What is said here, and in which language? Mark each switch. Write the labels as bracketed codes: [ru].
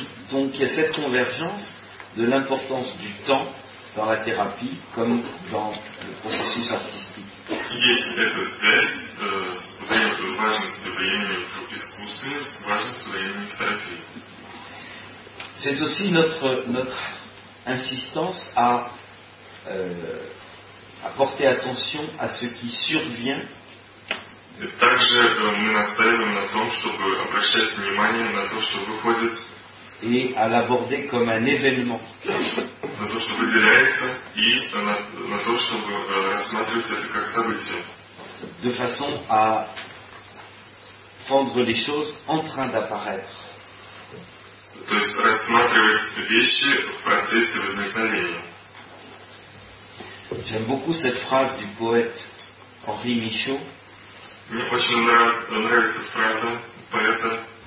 [fr] Donc il y a cette convergence de l'importance du temps dans la thérapie comme dans le processus artistique. [ru] Есть эта связь важности времени в искусстве с важностью времени в терапии. [fr] C'est aussi notre insistance à porter attention à ce qui survient. [ru] Также мы настаиваем на том, чтобы обращать внимание на то, что выходит. [fr] Et à l'aborder comme un événement. [ru] На то, что выделяется, и на то, чтобы рассматривать это как событие. [fr] De façon à prendre les choses en train d'apparaître. [ru] То есть рассматривать вещи в процессе возникновения. [fr] J'aime beaucoup cette phrase du poète Henri Michaux. [ru] Мне очень нравится фраза поэта